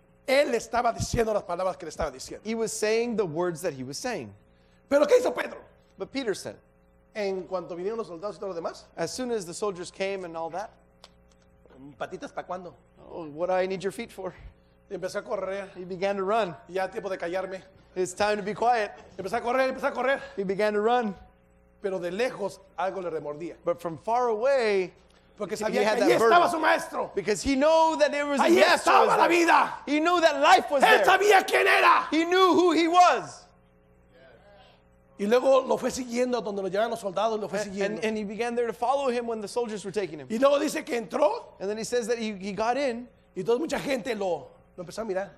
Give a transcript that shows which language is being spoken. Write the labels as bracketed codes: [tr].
[es] Él estaba diciendo las palabras que le estaba diciendo. [en] He was saying the words that he was saying. [es] ¿Pero qué hizo Pedro? [en] But Peter said. [es] En cuanto vinieron los soldados y todo lo demás. [en] As soon as the soldiers came and all that. [es] ¿Patitas para cuándo? [en] Oh, what do I need your feet for? [es] Y empezó a correr. [en] He began to run. [es] Ya tiempo de callarme. [en] It's time to be quiet. [es] Empezó a correr. [en] He began to run. [es] Pero de lejos algo le remordía. [en] But from far away. [es] Porque sabía que ahí estaba su maestro. [en] Because he knew that there was [es] ahí [en] a master. [es] Estaba [en] was [es] la vida. [en] He knew that life was [es] él [en] there. [es] Sabía quién era. [en] He knew who he was. [es] Y luego lo fue siguiendo donde lo llevaban los soldados, lo fue siguiendo. [en] And he began there to follow him when the soldiers were taking him. [es] Y luego dice que entró. [en] And then he says that he got in. [es] Y toda mucha gente lo empezó a mirar.